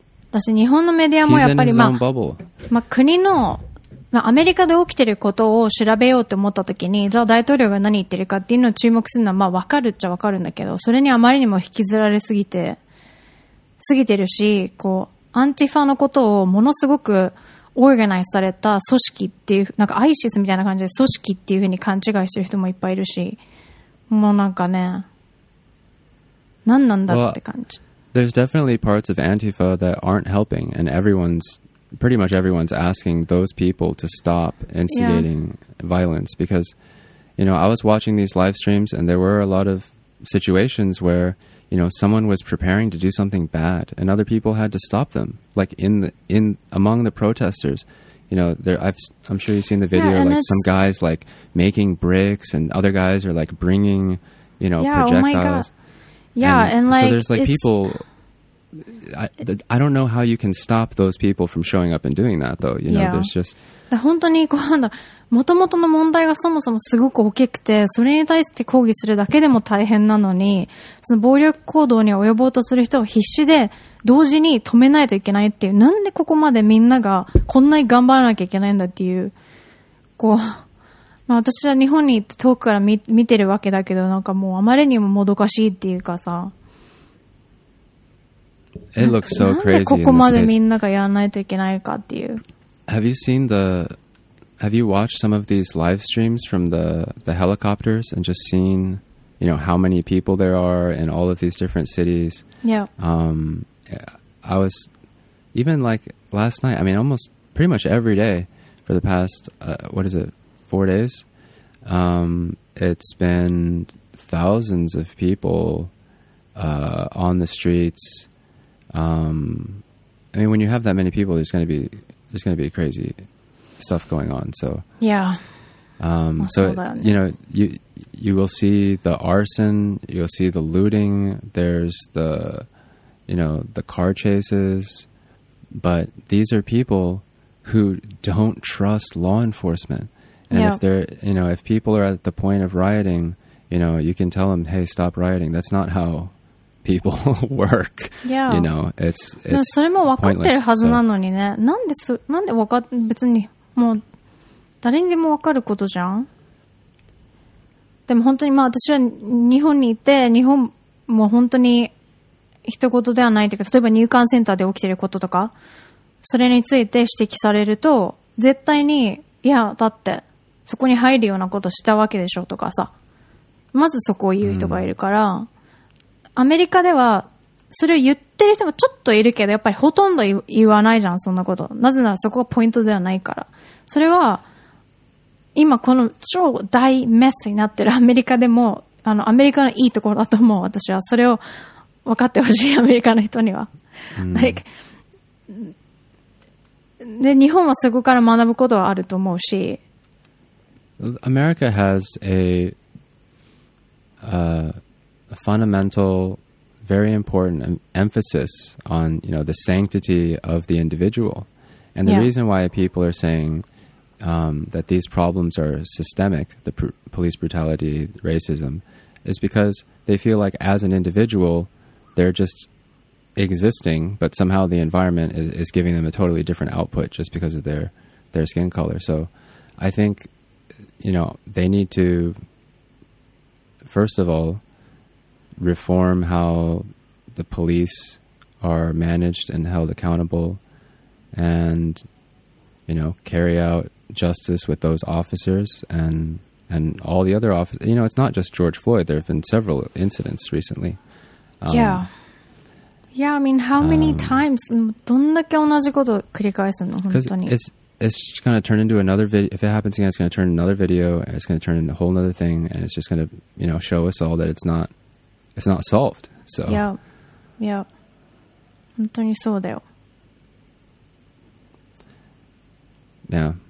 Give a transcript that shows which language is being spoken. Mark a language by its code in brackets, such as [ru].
[ja] 私日本のメディアもやっぱり、まあ、まあ国の、まあ、アメリカで起きてることを調べようと思った時に、ザ大統領が何言ってるかっていうのを注目するのはまあ分かるっちゃ分かるんだけど、それにあまりにも引きずられすぎてるし、こうアンティファのことをものすごくオーガナイズされた組織っていう、なんかアイシスみたいな感じで組織っていう風に勘違いしてる人もいっぱいいるし、もうなんかね、何なんだって感じ。 [en] Well, there's definitely parts of Antifa that aren't helping, and pretty much everyone's asking those people to stop instigating violence, because, you know, I was watching these live streams and there were a lot of situations where, you know, someone was preparing to do something bad and other people had to stop them, like in among the protesters, you know, I'm sure you've seen the video, yeah, like some guys like making bricks and other guys are like bringing, you know, yeah, projectiles. Oh my God. Yeah. And like, so there's like people, I don't know how you can stop those people from showing up and doing that though. You know, yeah. There's just, [ja] 本当にこうなんだ、元々の問題がそもそもすごく大きくて、それに対して抗議するだけでも大変なのに、その暴力行動に及ぼうとする人を必死で同時に止めないといけないっていう、なんでここまでみんながこんなに頑張らなきゃいけないんだっていう、こう、まあ、私は日本に行って遠くから見てるわけだけど、なんかもうあまりにももどかしいっていうかさ、 [en] It looks so crazy. [ja] なんでここまでみんながやらないといけないかっていう。 [en] Have you watched some of these live streams from the helicopters and just seen, you know, how many people there are in all of these different cities? Yeah. I was, even like last night, I mean, almost pretty much every day for the past, 4 days? It's been thousands of people, on the streets. I mean, when you have that many people, there's going to be crazy stuff going on. So, yeah. So, you know, you will see the arson, you'll see the looting, there's the, you know, the car chases, But these are people who don't trust law enforcement. And if they're, you know, if people are at the point of rioting, you know, you can tell them, hey, stop rioting. That's not how people work. Yeah. You know, it's [ja] それも分かってるはずなのにね。なんで、なんで分か、別にもう誰にでも分かることじゃん。でも本当にまあ私は日本にいて、日本も本当に一言ではないというか、例えば入管センターで起きていることとか、それについて指摘されると、絶対に、いや、だって、そこに入るようなことしたわけでしょとかさ、まずそこを言う人がいるから、アメリカでは、それを言ってる人もちょっといるけど、やっぱりほとんど言わないじゃん、そんなこと。なぜならそこがポイントではないから。それは、今この超大メスになってるアメリカでも、あの、アメリカのいいところだと思う、私は。それを、分かってほしい、アメリカの人には。で、日本はそこから学ぶことはあると思うし。 [en] America has a fundamental, very important emphasis on, you know, the sanctity of the individual. And the reason why people are saying that these problems are systemic, the police brutality, racism, is because they feel like as an individual, they're just existing, but somehow the environment is giving them a totally different output just because of their skin color. So I think, you know, they need to, first of all, reform how the police are managed and held accountable and, you know, carry out justice with those officers and all the other officers. You know, it's not just George Floyd. There have been several incidents recently. Yeah, I mean, how many times? [ja] どんだけ同じことを繰り返すの本当に。 [en] It's going to turn into another video. If it happens again, it's going to turn into another video, and it's going to turn into a whole other thing, and it's just going to, you know, show us all that it's not solved. So. Yeah. [ja] 本当にそうだよ。 [en] Yeah.